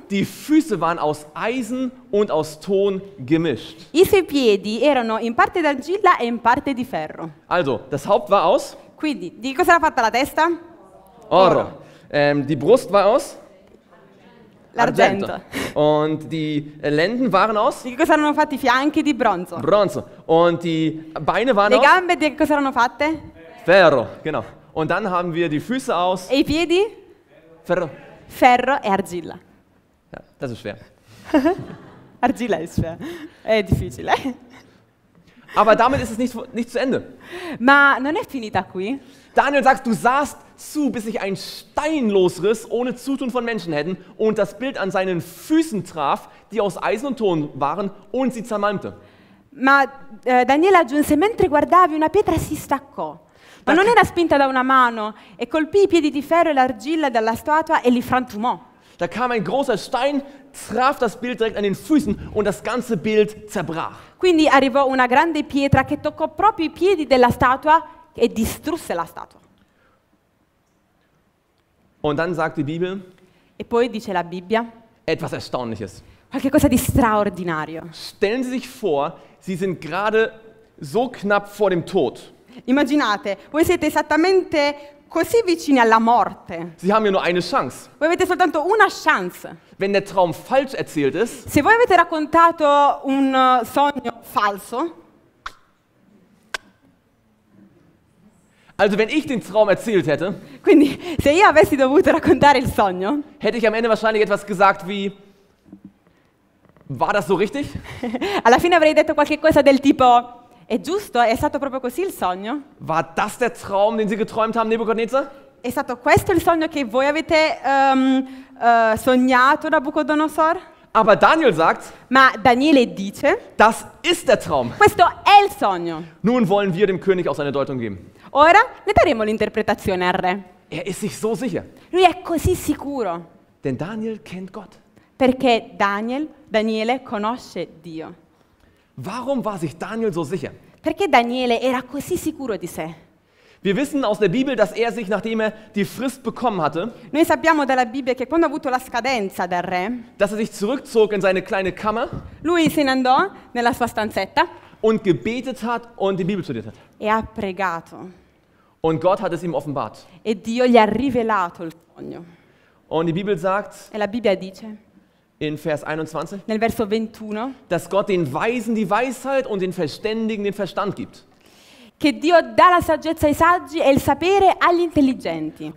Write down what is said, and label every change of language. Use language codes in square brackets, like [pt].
[de] Die Füße waren aus Eisen und aus Ton gemischt. [it] I suoi piedi erano in parte d'argilla e in parte di ferro. [de] Also, das Haupt war aus. [it] Quindi, di cosa era fatta la testa? Oro. Oro. [de] Die Brust war aus. [it] L'argento. [de] Und die Lenden waren aus? [it] Di cosa erano fatti i fianchi? Di bronzo. Bronzo. [de] Und die Beine waren aus? [it] Le gambe di cosa erano fatte? Ferro, [de] genau. Und dann haben wir die Füße aus? [it] E i piedi? Ferro. Ferro e argilla. [de] Ja, das ist schwer. Argilla ist schwer. [it] È difficile. [de] Aber damit ist es nicht zu Ende. [it] Ma non è finita qui. [de] Daniel sagt, du sahst zu, bis sich ein Stein losriss, ohne Zutun von Menschenhänden, und das Bild an seinen Füßen traf, die aus Eisen und Ton waren, und sie zermalmte. [it] Ma Daniele aggiunse, mentre guardavi, una pietra si staccò. Ma non era spinta da una mano, e colpì i piedi di ferro e l'argilla della statua e li frantumò. [de] Da kam ein großer Stein, traf das Bild direkt an den Füßen und das ganze Bild zerbrach. [it] Quindi arrivò una grande pietra che toccò proprio i piedi della statua e distrusse la statua. [de] Und dann sagt die Bibel, [it] e poi dice la Bibbia, [de] etwas Erstaunliches. [it] Qualche cosa di straordinario. [de] Stellen Sie sich vor, Sie sind gerade so knapp vor dem Tod. [it] Immaginate, voi siete esattamente così vicini alla morte. [de] Sie haben ja nur eine Chance. [it] Voi avete soltanto una chance. [de] Wenn der Traum falsch erzählt ist, [it] se voi avete raccontato un sogno falso, [de] also wenn ich den Traum erzählt hätte, [it] quindi se io avessi dovuto raccontare il sogno, [de] hätte ich am Ende wahrscheinlich etwas gesagt wie, war das so richtig? [it] Alla fine avrei detto qualche cosa del tipo, è giusto, è stato proprio così il sogno? [de] War das der Traum, den Sie geträumt haben, Nebukadnezar? [it] È stato questo il sogno che voi avete sognato, Nabucodonosor? [de] Aber Daniel sagt, [it] ma Daniele dice, [de] das ist der Traum. [it] Questo è il sogno. [de] Nun wollen wir dem König auch seine Deutung geben. [it] Ora ne daremo l'interpretazione al re. [de] Er ist sich so sicher. [it] Lui è così sicuro. [de] Denn Daniel kennt Gott. [it] Perché Daniele conosce Dio. [de] Warum war sich Daniel so sicher? [it] Perché Daniele era così sicuro di sé. [de] Wir wissen aus der Bibel, dass er sich, nachdem er die Frist bekommen hatte, [it] noi sappiamo dalla Bibbia che quando ha avuto la scadenza del re, [de] dass er sich zurückzog in seine kleine Kammer, [it] lui se ne andò nella sua stanzetta, [de] und gebetet hat und die Bibel studiert hat. [it] E ha pregato. [de] Und Gott hat es ihm offenbart. [it] E Dio gli ha rivelato il sogno. [de] Und die Bibel sagt, [it] e la Bibbia dice, [de] in Vers 21, [it] nel verso 21, [de] dass Gott den Weisen die Weisheit und den Verständigen den Verstand gibt. [it] Che Dio dà la saggezza ai saggi e il sapere agli intelligenti.